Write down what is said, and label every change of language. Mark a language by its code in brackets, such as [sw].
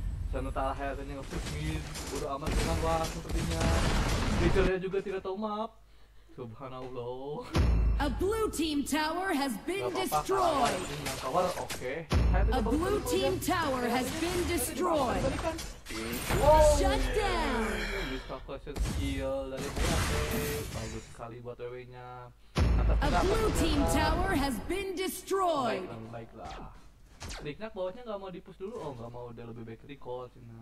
[id] Sementara Hayatnya nge-push mid. Buru amat dengan wah sepertinya. Richardnya juga tidak tahu map. Subhanallah. [en] A blue team tower has been destroyed. Tower oke. A blue team tower has been destroyed. Shut down. [id] Discussion skill dari Hayate bagus sekali buat WW-nya. [en] A blue team tower has been destroyed. [id] Baiklah. Riknak bawahnya enggak mau dipush dulu. Oh, enggak mau udah lebih baik recall sih.